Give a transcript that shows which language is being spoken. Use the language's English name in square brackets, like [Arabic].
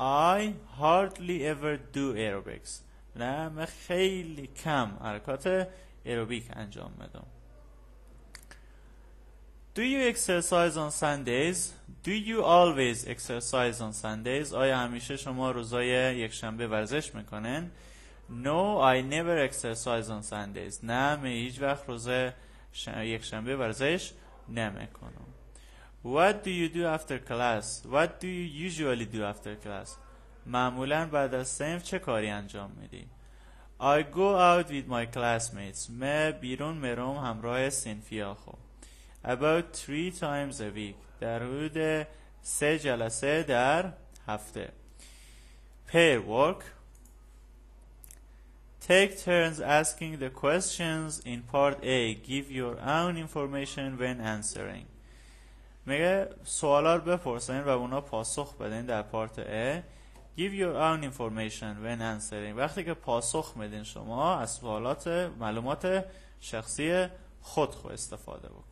[English] I hardly ever do aerobics. [Persian] نه، من خیلی کم حرکات aerobic انجام میدم. [English] Do you exercise on Sundays? Do you always exercise on Sundays? [Persian] آیا همیشه شما روزای یک شنبه ورزش میکنین؟ [English] No, I never exercise on Sundays. [Persian] نه، من هیچ وقت روز یک شنبه ورزش نمیکنم. [English] What do you do after class? What do you usually do after class? [Persian] معمولا بعد از صف چه کاری انجام میدی؟ [English] I go out with my classmates. [Persian] من بیرون میرم همراه صنفی ها. [English] About 3 times a week. [Persian] در حدود 3 جلسه در هفته. [English] Pair work. Take turns asking the questions in part A. Give your own information when answering. [Persian] میگه سوالا رو بپرسین و اونا پاسخ بدین در پارت A. [English] Give your own information when answering. [Persian] وقتی که پاسخ میدین شما از سوالات معلومات شخصی خود استفاده بکن.